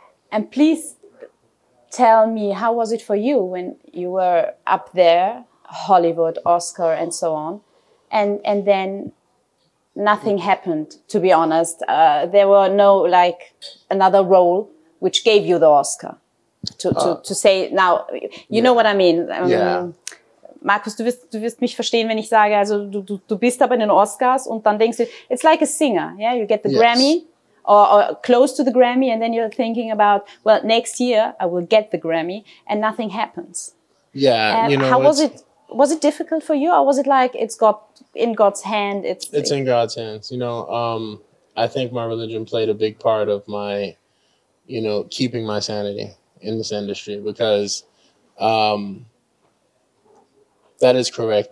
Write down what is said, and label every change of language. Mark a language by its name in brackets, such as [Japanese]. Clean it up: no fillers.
[English] And please tell me, how was it for you when you were up there, Hollywood, Oscar, and so on? And then nothing happened, to be honest. There were no, like, another role which gave you the Oscar. To say, now, you know what I mean. [German] Markus, du wirst mich verstehen, wenn ich sage, also du bist aber in den Oscars und dann denkst du, [English] it's like a singer, yeah? You get the Grammy or close to the Grammy, and then you're thinking about, well, next year I will get the Grammy, and nothing happens. Yeah, you know. How was it? Was it difficult for you, or was it like it's got in God's hand? It's in God's hands. You know, I think my religion played a big part of my, you know, keeping my sanity in this industry, because that is correct.